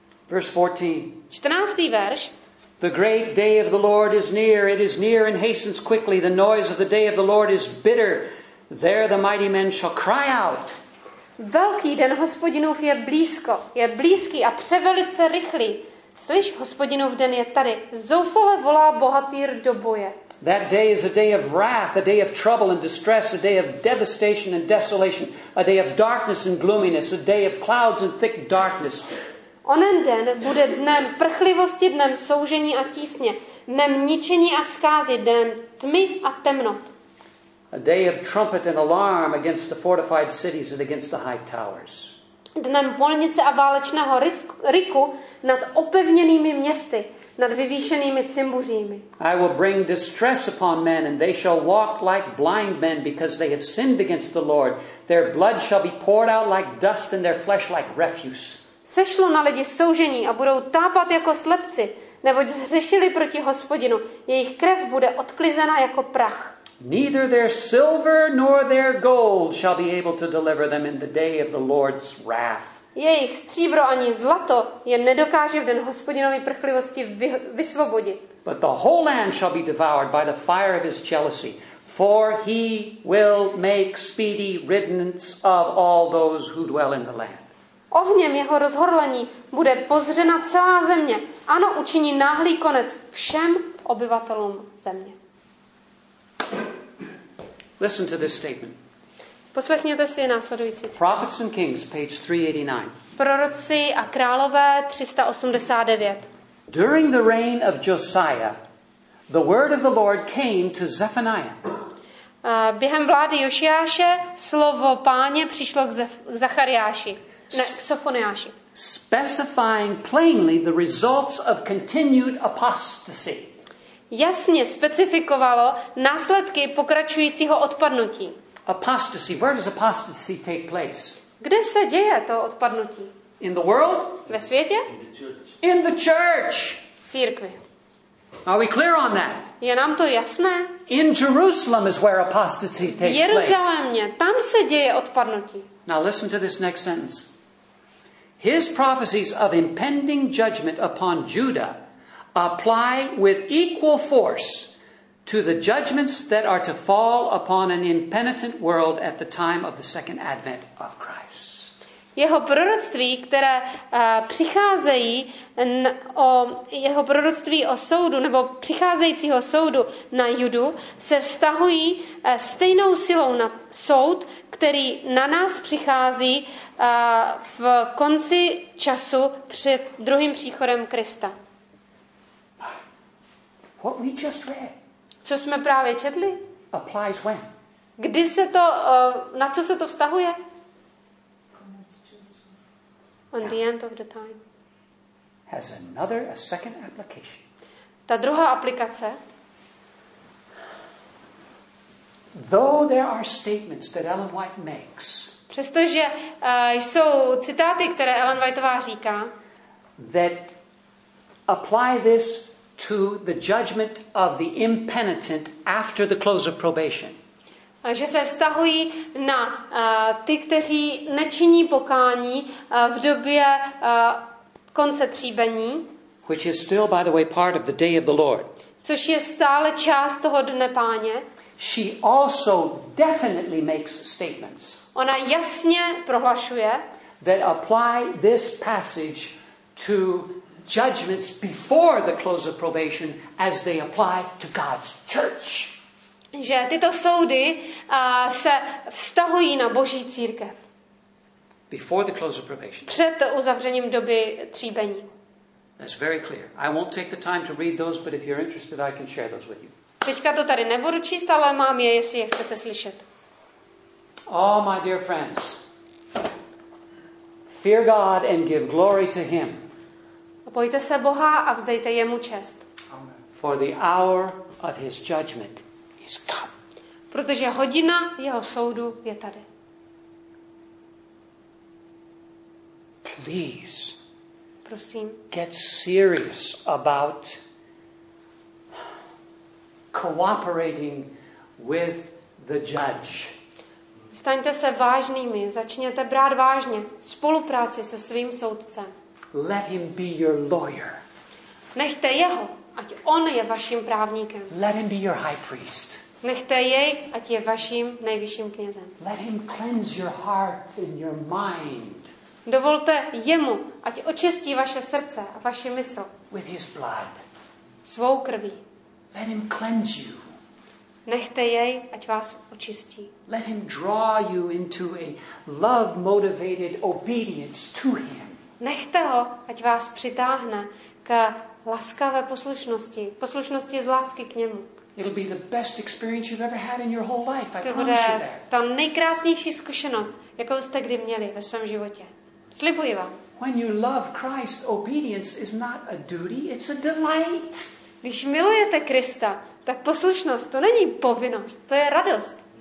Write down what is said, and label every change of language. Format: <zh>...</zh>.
<en>Verse 14.</en> <cs>14. verš.</cs> <en>The great day of the Lord is near. It is near and hastens quickly. The noise of the day of the Lord is bitter. There the mighty men shall cry out.</en> <cs>Velký den Hospodinův je blízko, je blízký a převelice rychlý. Slyš, Hospodinův den je tady. Zoufale volá bohatýr do boje.</cs> <en>That day is a day of wrath, a day of trouble and distress, a day of devastation and desolation, a day of darkness and gloominess, a day of clouds and thick darkness.</en> <cs>Onen den bude dnem prchlivosti, dnem soužení a tísně, dnem ničení a skázy, dnem tmy a temnot.</cs> <en>A day of trumpet and alarm against the fortified cities and against the high towers.</en> <cs>Dnem polnice a válečného ryku nad opevněnými městy, nad vyvýšenými cimbuřími.</cs> <en>I will bring distress upon men, and they shall walk like blind men, because they have sinned against the Lord. Their blood shall be poured out like dust, and their flesh like refuse.</en> <cs>Sešlo na lidi soužení a budou tápat jako slepci, neboť zřešili proti Hospodinu. Jejich krev bude odklizena jako prach.</cs> <en>Neither their silver nor their gold shall be able to deliver them in the day of the Lord's wrath.</en> <cs>Jejich stříbro ani zlato je nedokáže v den Hospodinovy prchlivosti vysvobodit.</cs> <en>But the whole land shall be devoured by the fire of his jealousy, for he will make speedy riddance of all those who dwell in the land.</en> <cs>Ohněm jeho rozhorlení bude pozřena celá země. Ano, učiní náhlý konec všem obyvatelům země.</cs> <en>Listen to this statement.</en> <cs>Poslechněte si následující.</cs> <en>Prophets and Kings, page 389.</en> <cs>Proroci a králové, 389.</cs> <en>During the reign of Josiah, the word of the Lord came to Zephaniah.</en> <cs>Během vlády Josiáše slovo Páně přišlo k Zachariáši, ne, k Sofoniáši.</cs> <en>Specifying plainly the results of continued apostasy.</en> <cs>Jasně specifikovalo následky pokračujícího odpadnutí.</cs> <en>Apostasy. Where does apostasy take place?</en> <cs>Kde se děje to odpadnutí?</cs> <en>In the world?</en> <cs>Ve světě?</cs> <en>In the church.</en> <cs>V církvi.</cs> <en>Are we clear on that?</en> <cs>Je nám to jasné?</cs> <en>In Jerusalem is where apostasy takes place.</en> <cs>V Jeruzalémě, tam se děje odpadnutí.</cs> <en>Now listen to this next sentence. His prophecies of impending judgment upon Judah apply with equal force to the judgments that are to fall upon an impenitent world at the time of the second advent of Christ.</en> <cs>Jeho proroctví, které přicházejí o jeho proroctví o soudu nebo přicházejícího soudu na Judu, se vztahují stejnou silou na soud, který na nás přichází v konci času před druhým příchodem Krista.</cs> <en>What we just read.</en> <cs>Co jsme právě četli?</cs> <en>Applies when?</en> <cs>Kdy se to, na co se to vztahuje?</cs> <en>On the end of the time. Has another, a second application.</en> <cs>Ta druhá aplikace.</cs> <en>Though there are statements that Ellen White makes.</en> <cs>Přestože jsou citáty, které Ellen Whiteová říká.</cs> <en>That apply this to the judgment of the impenitent after the close of probation.</en> <cs>Že se vztahují na ty, kteří nečiní pokání v době konce tříbení.</cs> <en>Which is still, by the way, part of the day of the Lord.</en> <cs>Což je stále část toho dne Páně.</cs> <en>She also definitely makes statements.</en> <cs>Ona jasně prohlašuje.</cs> <en>That apply this passage to judgments before the close of probation as they apply to God's church.</en> <cs>Že tyto soudy se vztahují na Boží církev.</cs> <en>Before the close of probation.</en> <cs>Před uzavřením doby tříbení.</cs> <en>That's very clear. I won't take the time to read those, but if you're interested, I can share those with you.</en> <cs>Teďka to tady nebudu číst, ale mám je, jestli je chcete slyšet.</cs> <en>Oh, my dear friends. Fear God and give glory to him.</en> <cs>Bojte se Boha a vzdejte jemu čest.</cs> <en>For the hour of his judgment is come.</en> <cs>Protože hodina jeho soudu je tady.</cs> <en>Please.</en> <cs>Prosím.</cs> <en>Get serious about cooperating with the judge.</en> <cs>Staňte se vážnými, začněte brát vážně spolupráci se svým soudcem.</cs> <en>Let him be your lawyer.</en> <cs>Nechte jeho, ať on je vaším právníkem.</cs> <en>Let him be your high priest.</en> <cs>Nechte jej, ať je vaším nejvyšším knězem.</cs> <en>Let him cleanse your heart and your mind.</en> <cs>Dovolte jemu, ať očistí vaše srdce a vaši mysl.</cs> <en>With his blood.</en> <cs>Svou krví.</cs> <en>Let him cleanse you.</en> <cs>Nechte jej, ať vás očistí.</cs> <en>Let him draw you into a love-motivated obedience to him.</en> <cs>Nechte ho, ať vás přitáhne k laskavé poslušnosti, poslušnosti z lásky k němu.</cs> <en>It'll be the best experience you've ever had in your whole life.</en> <cs>To bude ta nejkrásnější zkušenost, jakou jste kdy měli ve svém životě. Slibuji vám.</cs> <en>When you love Christ, obedience is not a duty, it's a delight.</en> <cs>Když milujete Krista, tak poslušnost to není povinnost, to je radost.</cs>